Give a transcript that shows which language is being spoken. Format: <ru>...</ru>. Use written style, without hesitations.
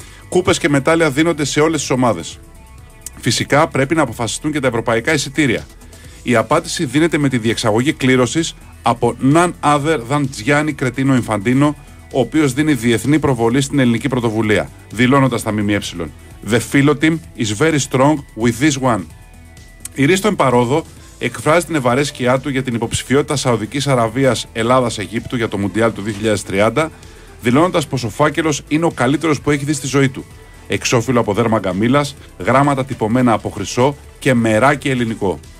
<el>Κούπες και μετάλλια δίνονται σε όλες τις ομάδες. Φυσικά πρέπει να αποφασιστούν και τα ευρωπαϊκά εισιτήρια. Η απάντηση δίνεται με τη διεξαγωγή κλήρωσης από</el> <en>none other than</en> <el>Gianni Cretino Infantino, ο οποίος δίνει διεθνή προβολή στην ελληνική πρωτοβουλία, δηλώνοντας τα ΜΜΕ.</el> <en>The Philo Team is very strong with this one.</en> <el>Η Ρίστον Παρόδο εκφράζει την ευαρέσκειά του για την υποψηφιότητα Σαουδικής Αραβίας Ελλάδας-Αιγύπτου για το Μουντιάλ του 2030, δηλώνοντας πως ο φάκελος είναι ο καλύτερος που έχει δει στη ζωή του. Εξώφυλλο από δέρμα γκαμήλας, γράμματα τυπωμένα από χρυσό και μεράκι ελληνικό.</el>